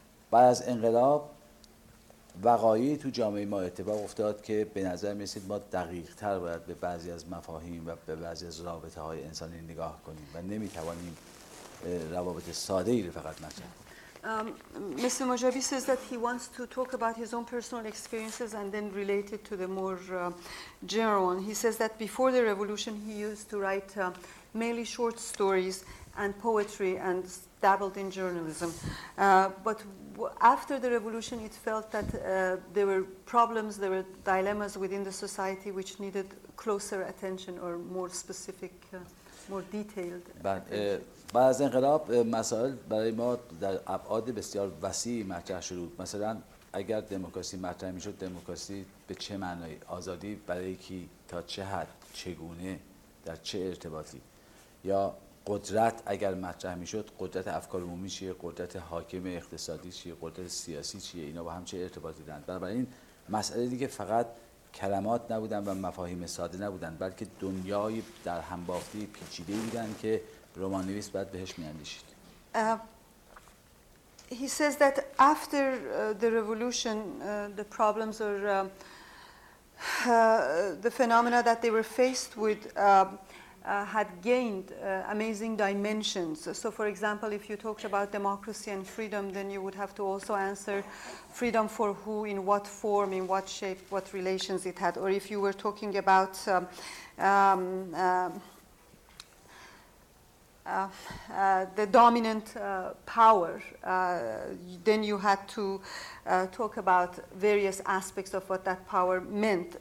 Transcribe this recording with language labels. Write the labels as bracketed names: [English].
[Persian] بعد از انقلاب وقایعی تو جامعه ما اتفاق افتاد که به نظر میرسید ما دقیق تر باید به بعضی از مفاهیم و به بعضی از رابطه های انسانی نگاه کنیم و نمیتوانیم روابط ساده ای رو فقط مطرح کنیم. [English] Mr. Mojabi says that he wants to talk about his own personal experiences and then relate it to the more general one. He says that before the revolution he used to write mainly short stories and poetry and dabbled in journalism. But after the revolution it felt that there were problems, there were dilemmas within the society which needed closer attention or more specific, more detailed attention. [Persian] بعد از انقلاب مسائل برای ما در ابعاد بسیار وسیع مطرح شد. مثلا اگر دموکراسی مطرح میشد، دموکراسی به چه معنای، آزادی برای کی، تا چه حد، چگونه، در چه ارتباطی، یا قدرت اگر مطرح میشد، قدرت افکار عمومی چیه، قدرت حاکم اقتصادی چیه، قدرت سیاسی چیه، اینا با هم چه ارتباطی دارن. برای این مسئله دیگه فقط کلمات نبودن و مفاهیم ساده نبودن، بلکه دنیای در هم بافته پیچیده‌ای بودن که Romanovist bad behesh miandishid. [English] He says that after the revolution the problems or the phenomena that they were faced with had gained amazing dimensions. So for example, if you talked about democracy and freedom, then you would have to also answer freedom for who, in what form, in what shape, what relations it had. Or if you were talking about the dominant power, then you had to talk about various aspects of what that power meant.